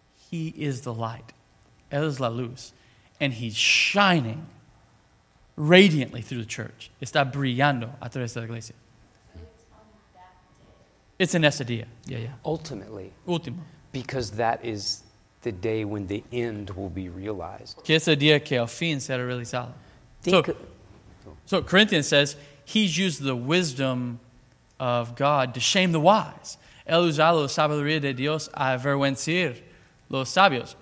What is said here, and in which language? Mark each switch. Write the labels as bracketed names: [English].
[English] He is the light. [Spanish] Él es la luz. [English] And he's shining radiantly through the church. [Spanish] Está brillando a través de la iglesia. [English] It's in [Spanish] ese día. [English] Yeah, yeah. Ultimately. [Spanish] Último. [English] Because that is the day when the end will be realized. [Spanish] Que ese día que al fin será realizado. [English] So Corinthians says, he's used the wisdom of God to shame the wise. [Spanish] Él usa la sabiduría de Dios a avergüenzar los sabios.